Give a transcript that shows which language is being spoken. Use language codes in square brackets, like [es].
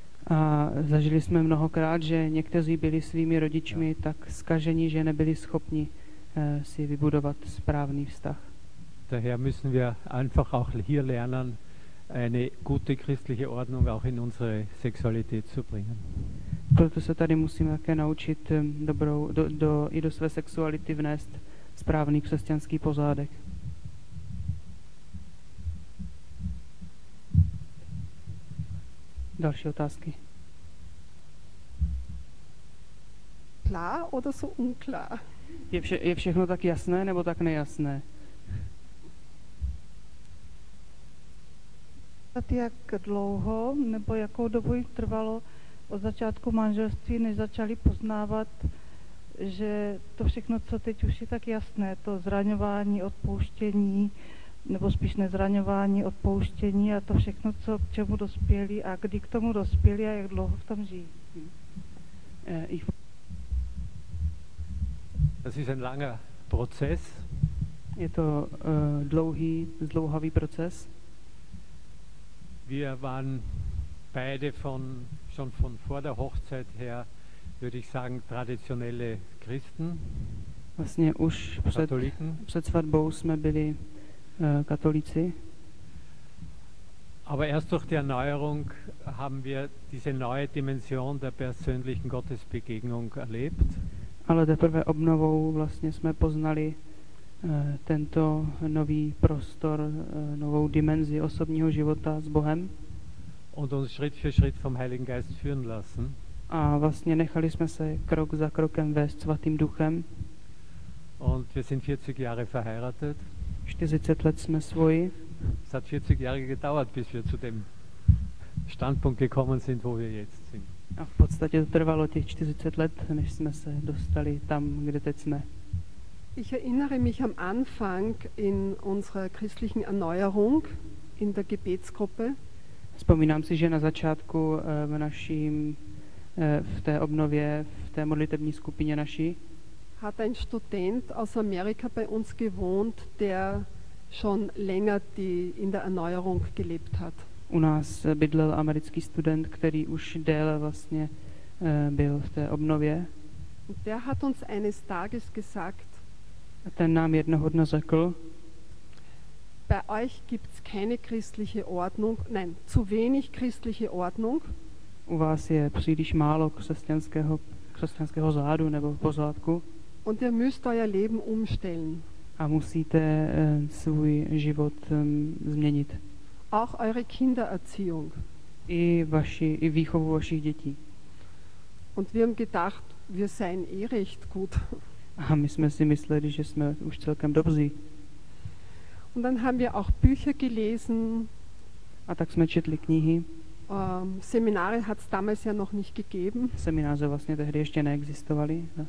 [cs] A zažili jsme mnohokrát, že někteří byli svými rodičmi tak zkažení, že nebyli schopni si vybudovat správný vztah. [de] Daher müssen wir einfach auch hier lernen, eine gute christliche Ordnung auch in unsere Sexualität zu bringen. [cs] Proto se tady musíme také naučit dobrou do své sexuality vnést správný křesťanský pořádek. Další otázky. [de] Klar oder so unklar? [cs] Je všechno tak jasné nebo tak nejasné? Jak dlouho nebo jakou dobu jim trvalo od začátku manželství, než začali poznávat, že to všechno, co teď už je tak jasné, to zraňování, odpouštění, nebo spíš nezraňování, odpouštění a to všechno, co k čemu dospěli a kdy k tomu dospěli a jak dlouho v tom žijí. [de] Das ist ein langer Prozess. [cs] Je to dlouhý, zdlouhavý proces. [de] Wir waren beide schon von vor der Hochzeit her, würde ich sagen, traditionelle Christen. [cs] Vlastně už před svatbou jsme byli katolíci. [de] Aber erst durch die Erneuerung haben wir diese neue Dimension der persönlichen Gottesbegegnung erlebt. [cs] Ale teprve obnovou vlastně jsme poznali tento nový prostor, novou dimenzi osobního života s Bohem. [de] Und uns Schritt für Schritt vom Heiligen Geist führen lassen. [cs] A vlastně nechali jsme se krok za krokem vést svatým duchem. [de] Und wir sind 40 Jahre verheiratet. [cs] 40 let jsme svoji. [de] Es hat 40 Jahre gedauert, bis wir zu dem Standpunkt gekommen sind, wo wir jetzt sind. [cs] A v podstatě to trvalo těch 40 let, než jsme se dostali tam, kde teď jsme. [de] Ich erinnere mich am Anfang in unserer christlichen Erneuerung in der Gebetsgruppe. [cs] Vzpomínám si, že na začátku v naším v té obnově, v té modlitební skupině naší, [de] hat ein Student aus Amerika bei uns gewohnt, der schon länger in der Erneuerung gelebt hat. [cs] U nás bydlel americký student, který už déle vlastně byl v té obnově. [de] Und der hat uns eines Tages gesagt, [cs] a ten nám jednoho dne řekl, [de] bei euch gibt's keine christliche Ordnung, nein, zu wenig christliche Ordnung. [cs] U vás je příliš málo křesťanského řádu nebo pořádku. [de] Und ihr müsst euer Leben umstellen. [cs] A musíte svůj život změnit. [de] Auch eure Kindererziehung. [cs] I výchovu vašich dětí. [de] Und wir haben gedacht, wir seien recht gut. [cs] A my jsme si mysleli, že jsme už celkem dobří. [de] Und dann haben wir auch Bücher gelesen. [cs] A tak jsme četli knihy. [de] Seminare hat es damals ja noch nicht gegeben. [cs] Semináře vlastně tehdy ještě neexistovaly.